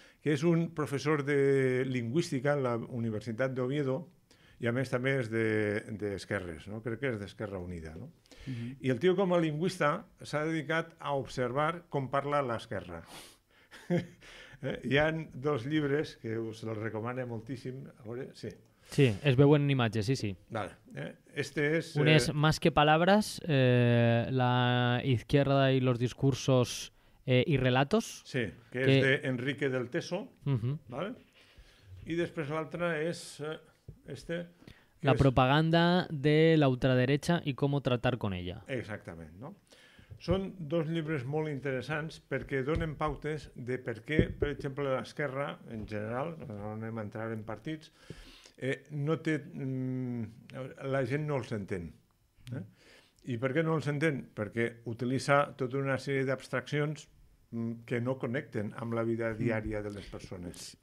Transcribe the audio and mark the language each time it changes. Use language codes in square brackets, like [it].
[ca] Que és un professor de lingüística a la Universitat d'Oviedo i a més també és d'esquerres, no? Crec que és d'Esquerra Unida, no? Uh-huh. I el tio com a lingüista s'ha dedicat a observar com parla l'esquerra. Hi ha dos llibres que us els recomano moltíssim. A veure, sí. Sí, es veuen en imatges, sí. Vale. Este és... Un és Más que palabras, la izquierda y los discursos y relatos. Sí, que... és d'Enrique del Teso. Uh-huh. Vale? I després l'altre és este... [es] La propaganda de la ultraderecha y cómo tratar con ella. [ca] Exactament, no? Són dos llibres molt interessants perquè donen pautes de per què, per exemple, l'esquerra, en general, no anem a entrar en partits, no té, la gent no els entén. I per què no els entén? Perquè utilitza tota una sèrie d'abstraccions que no connecten amb la vida diària de les persones.